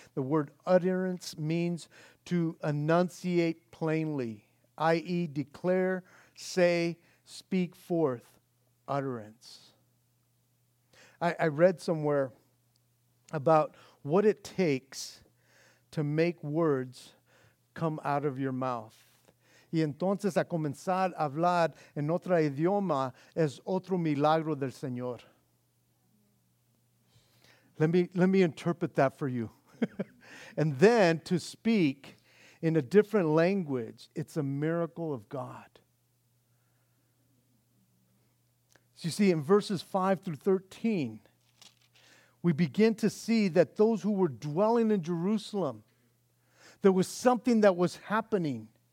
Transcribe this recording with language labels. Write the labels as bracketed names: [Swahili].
[English] The word utterance means to enunciate plainly, i.e. declare, say, speak forth, utterance. I read somewhere about what it takes to make words come out of your mouth. [Spanish] Y entonces a comenzar a hablar en otro idioma es otro milagro del Señor. [English] Let me interpret that for you. And then to speak in a different language, it's a miracle of God. So you see, in verses 5 through 13, we begin to see that those who were dwelling in Jerusalem, there was something that was happening.